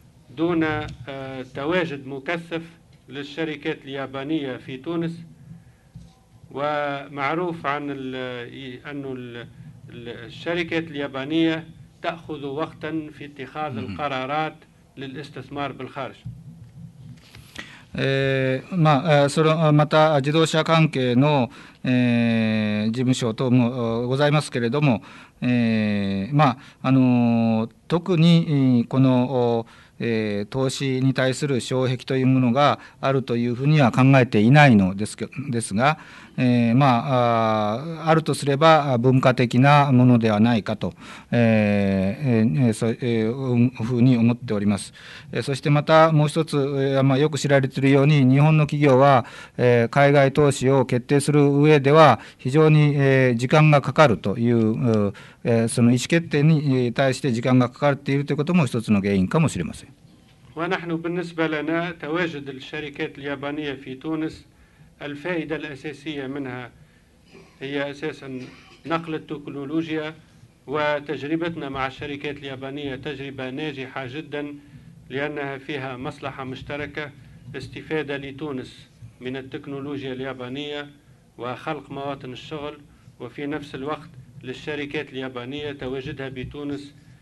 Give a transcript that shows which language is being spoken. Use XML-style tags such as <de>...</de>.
<ar>دون تواجد مكثف للشركات اليابانية في تونس. ومعروف عن أن الشركات اليابانية تأخذ وقتا في اتخاذ القرارات للاستثمار بالخارج.</ar> <ja>まあ、それまた自動車関係の、事務所等もございますけれども、まあ特にこの、投資に対する障壁というものがあるというふうには考えていないのです、ですが、まあ、あるとすれば文化的なものではないかと、そういうふうに思っております。そしてまたもう一つ、まあ、よく知られているように日本の企業は、海外投資を決定する上では非常に、時間がかかるという、その意思決定に対して時間がかかっているということも一つの原因かもしれません。</ja> <ar>ونحن بالنسبة لنا تواجد الشركات اليابانية في تونس الفائدة الأساسية منها هي أساسا نقل التكنولوجيا وتجربتنا مع الشركات اليابانية تجربة ناجحة جدا لأنها فيها مصلحة مشتركة استفادة لتونس من التكنولوجيا اليابانية وخلق مواطن الشغل وفي نفس الوقت للشركات اليابانية تواجدها بتونس</ar>